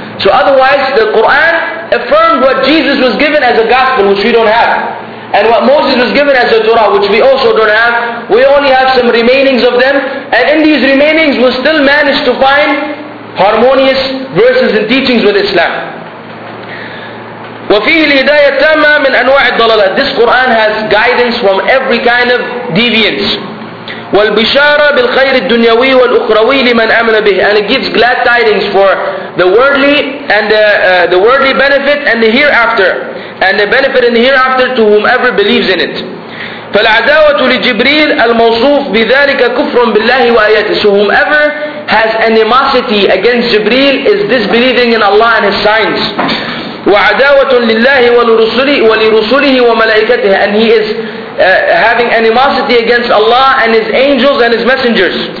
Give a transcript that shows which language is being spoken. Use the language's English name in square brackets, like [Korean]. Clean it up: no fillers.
[English] So otherwise, the Quran affirmed what Jesus was given as a gospel, which we don't have. And what Moses was given as a Torah, which we also don't have. We only have some remainings of them. And in these remainings, we still manage to find harmonious verses and teachings with Islam. [Arabic] وفيه الهداية التامة من أنواع الضلالات. [English] This Quran has guidance from every kind of deviance. [Arabic] والبشارة بالخير الدنيوي والأخروي لمن آمن به. [English] And it gives glad tidings for the worldly and the worldly benefit and the hereafter, and the benefit in the hereafter to whomever believes in it. [Arabic] فالعداوة لجبريل الموصوف بذلك كفر بالله وآياته. [English] So whomever has animosity against Jibreel is disbelieving in Allah and His signs. [Arabic] وعداوة لله ولرسله وملائكته. [English] And he is having animosity against Allah and his angels and his messengers.